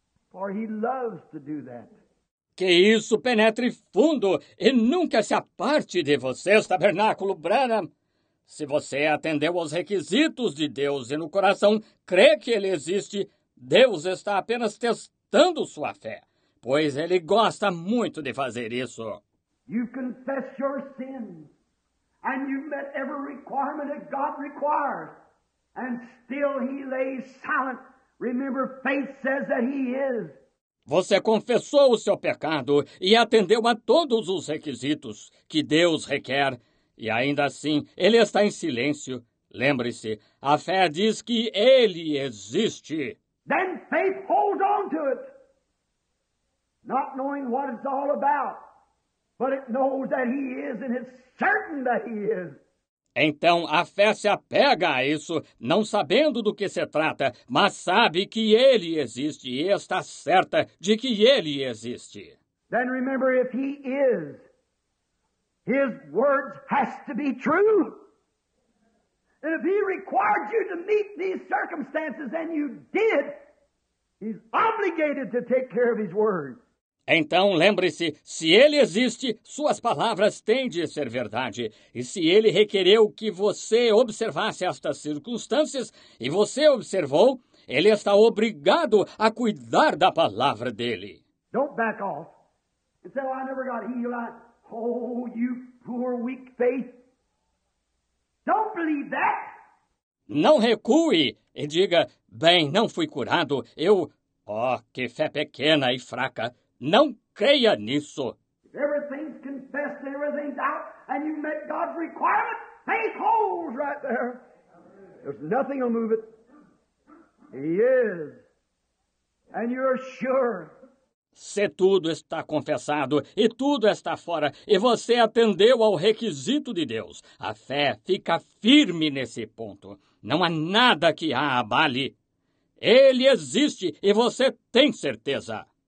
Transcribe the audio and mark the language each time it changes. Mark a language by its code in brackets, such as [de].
[en] For he loves to do that. [pt] Que isso penetre fundo e nunca se aparte de vocês, Tabernáculo Branham. Se você atendeu aos requisitos de Deus e no coração crê que ele existe, Deus está apenas testando sua fé, pois ele gosta muito de fazer isso. [en] You confess your sins, and you met every requirement that God requires, and still he lays silent. Remember, faith says that he is. [pt] Você confessou o seu pecado e atendeu a todos os requisitos que Deus requer. E ainda assim, ele está em silêncio. Lembre-se, a fé diz que ele existe. [en] Then faith holds on to it. Not knowing what it's all about. But it knows that he is and it's certain that he is. [pt] Então, a fé se apega a isso, não sabendo do que se trata, mas sabe que ele existe e está certa de que ele existe. [en] Then remember, if he is, his words has to be true. And if he required you to meet these circumstances, and you did, he's obligated to take care of his word. [pt] Então, lembre-se, se ele existe, suas palavras têm de ser verdade. E se ele requereu que você observasse estas circunstâncias, e você observou, ele está obrigado a cuidar da palavra dele. [en] Don't back off. And say, well, I never got healed. Oh, you poor, weak faith. Don't believe that. [pt] Não recue e diga, bem, não fui curado. Eu, oh, que fé pequena e fraca. Não creia nisso. [en] If everything's confessed and everything's out and you've met God's requirement, faith holds right there. There's nothing will move it. He is. And you're sure. [pt] Se tudo está confessado e tudo está fora e você atendeu ao requisito de Deus, a fé fica firme nesse ponto. Não há nada que a abale. Ele existe e você tem certeza.